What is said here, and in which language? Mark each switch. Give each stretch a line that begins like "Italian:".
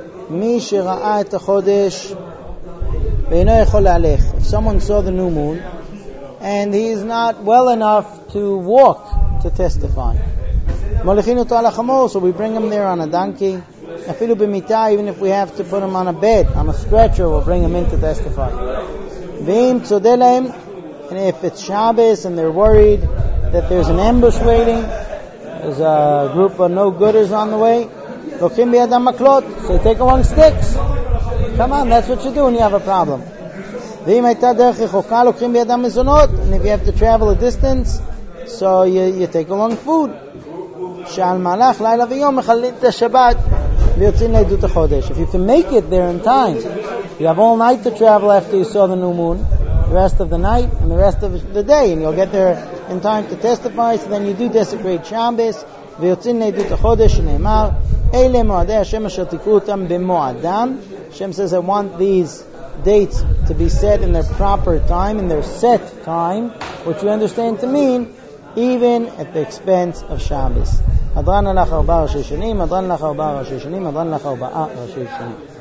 Hebrew: מי שראה את החודש ואינו יכול להלך.
English: If someone saw the new moon and he is not well enough to walk to testify,
Hebrew: מוליכין אותו על החמור,
English: so we bring him there on a donkey,
Hebrew: אפילו במיטה,
English: even if we have to put him on a bed, on a stretcher, we'll bring him in to testify.
Hebrew: ואם צודה להם,
English: and if it's Shabbos and they're worried that there's an ambush waiting, there's a group of no-gooders on the way,
Hebrew: לוקחים בידם מקלות,
English: so take along sticks. Come on, that's what you do when you have a problem.
Hebrew: ואם הייתה דרך רחוקה, לוקחים בידם מזונות,
English: and if you have to travel a distance, so you take along food.
Hebrew: שעל מהלך לילה ויום מחללים את השבת ויוצאים לעדות החודש.
English: If you can make it there in time, you have all night to travel after you saw the new moon, the rest of the night and the rest of the day, and you'll get there in time to testify, so then you do desecrate Shabbos,
Hebrew: ויוצאים לעדות החודש, שנאמר, אלה מועדי השם אשר תקעו אותם במועדם.
English: Hashem says, I want these dates to be set in their proper time, in their set time, which we understand to mean, even at the expense of Shabbos.
Hebrew: הדרן הלך ארבעה ראשי שנים, הדרן הלך ארבעה ראשי שנים, הדרן הלך ארבעה ראשי שנים.